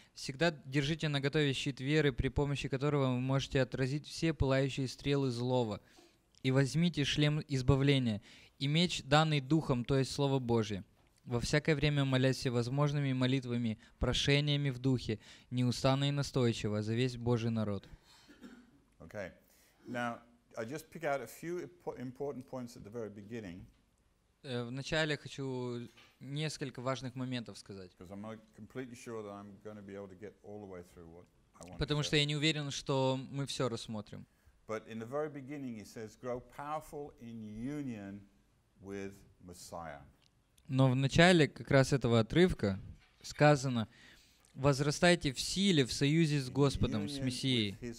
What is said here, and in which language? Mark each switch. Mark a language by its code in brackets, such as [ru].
[ru] Всегда держите наготове щит веры, при помощи которого вы можете отразить все пылающие стрелы злого. И возьмите шлем избавления и меч, данный Духом, то есть Слово Божие. Во всякое время молясь всевозможными молитвами, прошениями в Духе, неустанно и настойчиво, за весь Божий народ. [en] Okay. Now, I just pick out a few important points at the very beginning. [ru] Вначале хочу несколько важных моментов сказать. [en] Because I'm not completely sure that I'm going to be able to get all the way through what I want to say. [ru] Потому что я не уверен, что мы все рассмотрим. [en] But in the very beginning, he says, "Grow powerful in union with Messiah." [ru] Но в начале как раз этого отрывка сказано: возрастайте в силе в союзе с Господом, с Мессией.